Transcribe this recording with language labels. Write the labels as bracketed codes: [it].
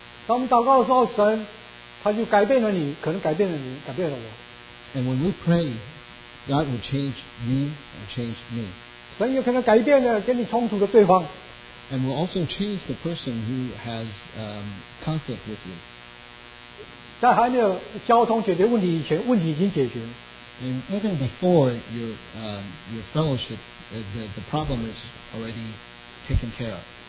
[zh] 当我们祷告的时候，神他就改变了你，可能改变了你，改变了我。 [en] And when we pray, God will change you and change me. [zh] 神有可能改变了跟你冲突的对方。 [en] And will also change the person who has conflict with you. [zh] 在还没有交通解决问题以前，问题已经解决。 [en] And even before your fellowship, the problem is already taken care of.